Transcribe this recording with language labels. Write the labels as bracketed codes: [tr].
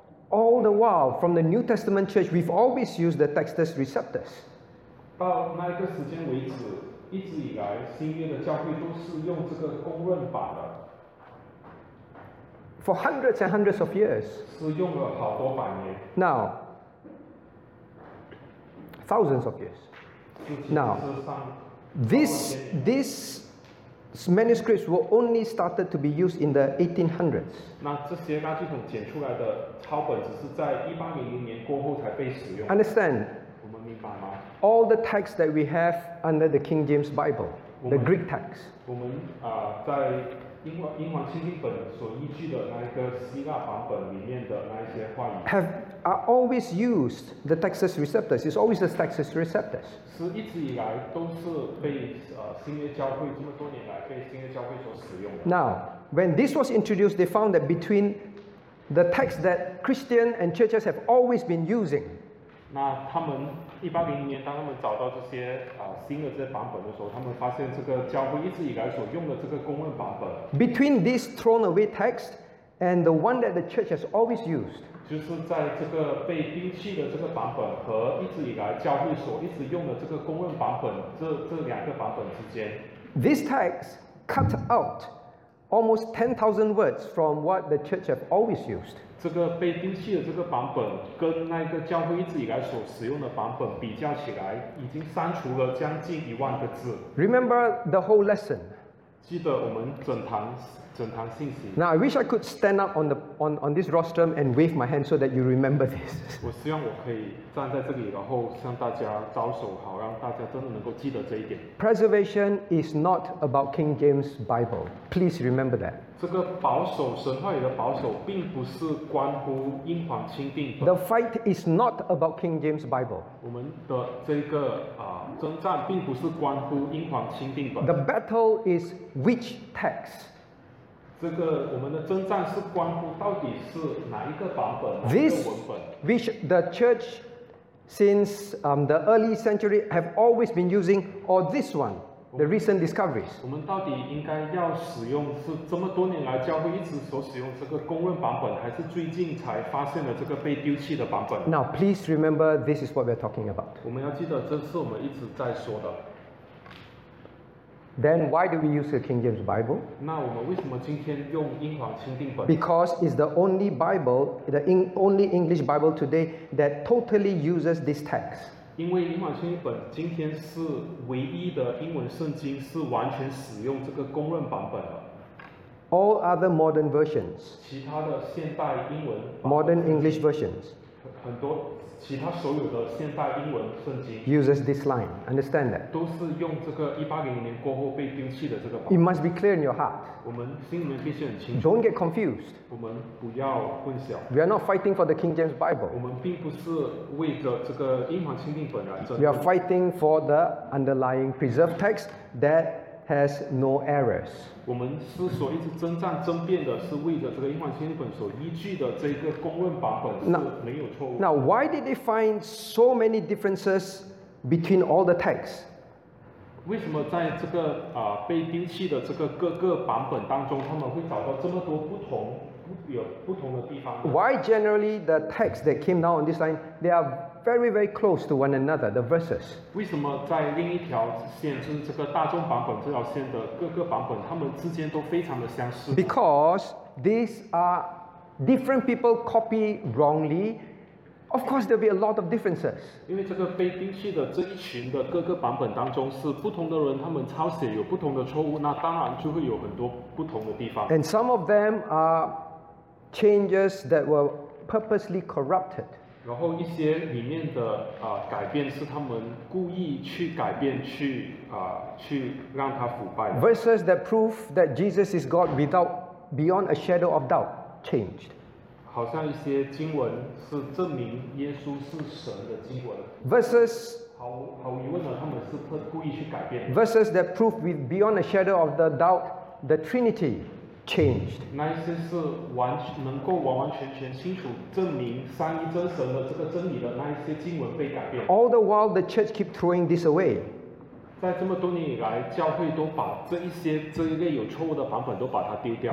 [en] All the while, from the New Testament church, we've always used the Textus Receptus. [zh] 到那个时间为止，一直以来新约的教会都是用这个公认版的。 [en] For hundreds and hundreds of years. [zh] 是用了好多百年。 [en] Now, thousands of years. Now, these manuscripts were only started to be used in the 1800s. [zh] 那这些垃圾桶捡出来的抄本只是在1800年过后才被使用。 [en] Understand? [zh] 我们明白吗? [en] All the texts that we have under the King James Bible, the Greek texts. [zh] 我们在英皇新经本所依据的那一个希腊版本里面的那一些话语 [en] are always used the Textus Receptus. It's always the Textus Receptus. [zh] 是一直以来都是被新约教会这么多年来被新约教会所使用的。 [en] Now, when this was introduced, they found that between the text that Christian and churches have always been using. [zh] 那他们一八零零年当他们找到这些新的这些版本的时候，他们发现这个教会一直以来所用的这个公认版本。 [en] Between this thrown away text and the one that the church has always used， [zh] 就是在这个被丢弃的这个版本和一直以来教会所一直用的这个公认版本，这两个版本之间。 [en] This text cut out almost 10,000 words from what the church have always used。 [zh] 这个被丢弃的这个版本跟那个教会一直以来所使用的版本比较起来，已经删除了将近10,000个字。 [en] Remember the whole lesson. [zh] 记得我们整堂信息。 [en] Now I wish I could stand up on this rostrum and wave my hand so that you remember this. [zh] 我希望我可以站在这里，然后向大家招手，好让大家真的能够记得这一点。 [en] Preservation is not about King James Bible. Please remember that. [zh] 这个保守神话语的保守并不是关乎英皇钦定本。 [en] The fight is not about King James Bible. [zh] 我们的这个征战并不是关乎英皇钦定本。 [en] The battle is which text. [zh] 这个我们的征战是关乎到底是哪一个版本，哪一个文本。 [en] This, which the church since the early century have always been using, or this one. the recent discoveries. [zh] 我们到底应该要使用是这么多年来教会一直所使用这个公认版本，还是最近才发现了这个被丢弃的版本？ [en] Now, please remember, this is what we're talking about. [zh] 我们要记得，这是我们一直在说的。 [en] Then why do we use the King James Bible? [zh] 那我们为什么今天用英皇钦定本？ [en] Because it's the only Bible, the only English Bible today that totally uses this text. [zh] 因为英皇钦定本今天是唯一的英文圣经是完全使用这个公认版本的。 [en] All other modern versions, [zh] 其他的现代英文 [en] modern English versions, [zh] 很多其他所有的现代英文圣经 [en] uses this line, understand that. [zh] 都是用这个1800年过后被丢弃的这个版本。 [en] It must be clear in your heart. [zh] 我们心里面必须很清楚。 [en] Don't get confused. [zh] 我们不要混淆。 [en] We are not fighting for the King James Bible. [zh] 我们并不是为着这个英皇钦定本而争。 [en] We are fighting for the underlying preserved text that has no errors. [zh] 我们是所一直征战争辩的是为着这个英皇钦定本所依据的这个公认版本是没有错误。 [en] Now, why did they find so many differences between all the texts? [zh] 为什么在这个被丢弃的这个各个版本当中他们会找到这么多不同有不同的地方呢？ [en] Why generally the texts that came down on this line, they are very, very close to one another, the verses. [zh] 为什么在另一条线，就是这个大众版本这条线的各个版本，他们之间都非常的相似？ [en] Because these are different people copy wrongly. Of course, there'll be a lot of differences. [zh] 因为这个被丢弃的这一群的各个版本当中是不同的人，他们抄写有不同的错误，那当然就会有很多不同的地方。 [en] And some of them are changes that were purposely corrupted. [zh] 然后一些里面的改变是他们故意去改变去让他腐败的。 [en] Verses that prove that Jesus is God without beyond a shadow of doubt changed. [zh] 好像一些经文是证明耶稣是神的经文。 [en] Verses [zh] 毫无疑问的，他们是故意去改变的。 [en] Verses that prove with beyond a shadow of the doubt the Trinity. Changed. [zh] 那一些是完能够完完全全清楚证明三一真神的这个真理的那一些经文被改变。 [en] All the while the church keep throwing this away. [zh] 在这么多年以来，教会都把这一些这一类有错误的版本都把它丢掉。